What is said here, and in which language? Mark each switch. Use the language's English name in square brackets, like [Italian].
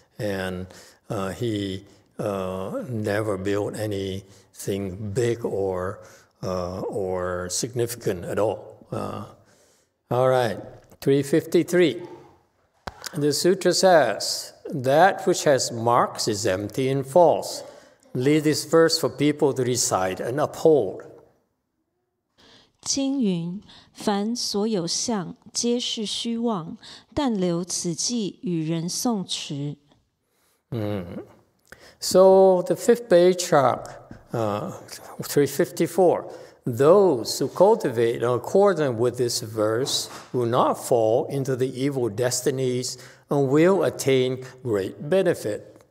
[English] And he never built anything big or significant at all. All right, 353. The sutra says, that which has marks is empty and false. Leave this verse for people to recite and uphold. [Chinese] 经云,凡所有相皆是虚妄,但留此记与人诵持。 [English] So the fifth patriarch, 354, those who cultivate in accordance with this verse will not fall into the evil destinies and will attain great benefit.